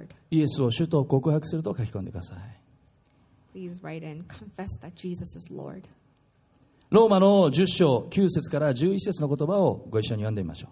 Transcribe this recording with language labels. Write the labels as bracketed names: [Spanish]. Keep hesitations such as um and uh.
[Japanese] イエスを主と告白すると書き込んでください。 [English] Please write in, confess that Jesus is Lord. [Japanese] ローマの10章9節から11節の言葉をご一緒に読んでみましょ